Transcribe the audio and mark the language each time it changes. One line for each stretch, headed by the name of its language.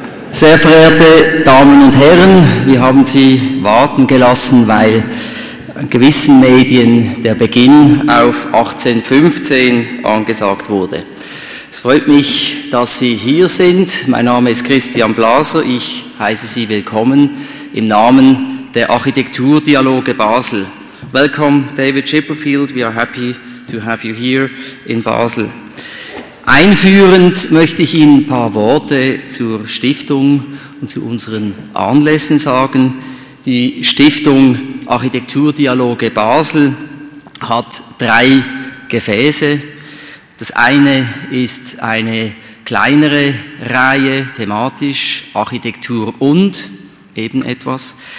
German: Sehr verehrte Damen und Herren, wir haben Sie warten gelassen, weil gewissen Medien der Beginn auf 18.15 angesagt wurde. Es freut mich, dass Sie hier sind. Mein Name ist Christian Blaser. Ich heiße Sie willkommen im Namen der Architekturdialoge Basel.
English: Welcome, David Chipperfield. We are happy to have you here in Basel.
German: Einführend möchte ich Ihnen ein paar Worte zur Stiftung und zu unseren Anlässen sagen. Die Stiftung Architekturdialoge Basel hat drei Gefäße. Das eine ist eine kleinere Reihe, thematisch Architektur und eben etwas.